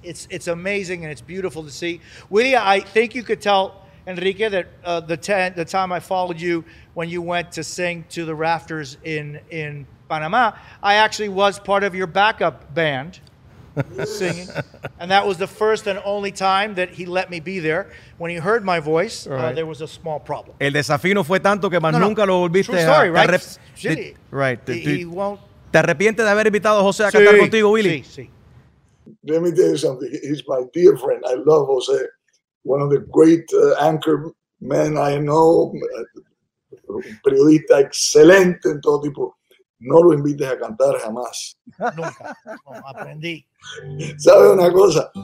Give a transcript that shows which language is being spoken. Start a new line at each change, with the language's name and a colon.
English: It's amazing, and it's beautiful to see. Willie, I think you could tell Enrique that the time I followed you when you went to sing to the rafters in Panama, I actually was part of your backup band. Singing, and that was the first and only time that he let me be there. When he heard my voice, right. There was a small problem.
Spanish: El desafío fue tanto que más nunca lo volviste.
English: True story, right? Right. He won't.
Spanish: ¿Te arrepientes de haber invitado a José a cantar contigo, Willie? Sí, sí.
English: Let me tell you something. He's my dear friend. I love José. One of the great anchor men I know.
Spanish: Periodista excelente en todo tipo. No lo invites a cantar jamás. Nunca. No, aprendí. ¿Sabe una cosa?